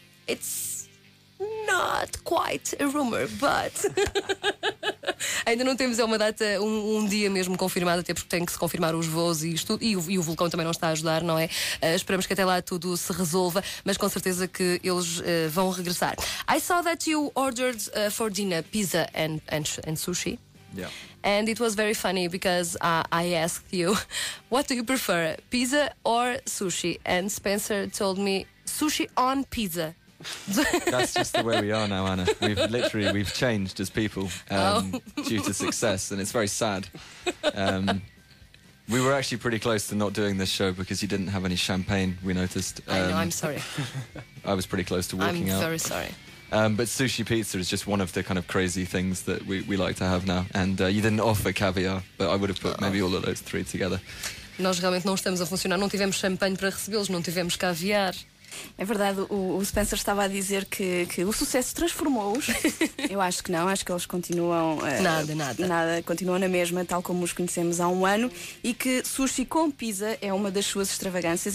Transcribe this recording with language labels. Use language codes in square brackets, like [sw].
[en] It's not quite a rumor, but... [pt] Ainda não temos uma data, um dia mesmo confirmado, até porque tem que se confirmar os voos e isto, e o vulcão também não está a ajudar, não é? Esperamos que até lá tudo se resolva, mas com certeza que eles vão regressar. [en] I saw that you ordered for dinner pizza and sushi. Yeah. And it was very funny because I asked you, what do you prefer, pizza or sushi? And Spencer told me, sushi on pizza. That's just the way we are now, Anna. We've changed as people due to success, and it's very sad. We were actually pretty close to not doing this show because you didn't have any champagne, we noticed. I know, I'm sorry. I was pretty close to walking out. I'm very sorry. But sushi pizza is just one of the kind of crazy things that we like to have now. And you didn't offer caviar, but I would have put maybe all of those three together. [pt] Nós realmente não estamos a funcionar. Não tivemos champanhe para recebê-los, não tivemos caviar. É verdade, o Spencer estava a dizer que o sucesso transformou-os. Eu acho que não, acho que eles continuam nada, continuam na mesma, tal como os conhecemos há um ano. E que sushi com pizza é uma das suas extravagâncias.